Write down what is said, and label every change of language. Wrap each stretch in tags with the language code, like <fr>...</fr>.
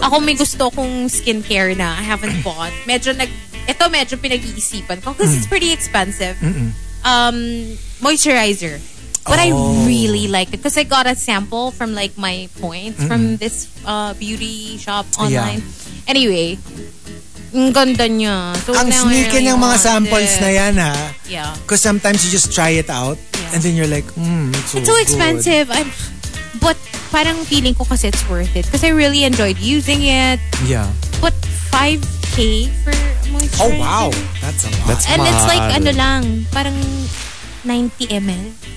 <tl>Ako may gusto kong skincare na</tl> <en>I haven't bought.</en> <tl>Medyo nag, ito medyo pinag-iisipan ko</tl> <en>because it's pretty expensive. Mm-mm. Moisturizer. But I really like it because I got a sample from like my points from this beauty shop online. Yeah. Anyway,</en> <tl>ang ganda niya. So ang sneaky niyang mga samples na yan, ha?</tl> <en>Yeah. Because sometimes you just try it out and then you're like, it's so expensive. Good. But</en> <tl>parang feeling ko kasi</tl> <en>it's worth it because I really enjoyed using it. Yeah. But 5K for moisturizer. Oh, wow. That's a lot. That's</en> <tl>and mahal.</tl> <en>It's like,</en> <tl>ano lang, parang 90 ml.</tl>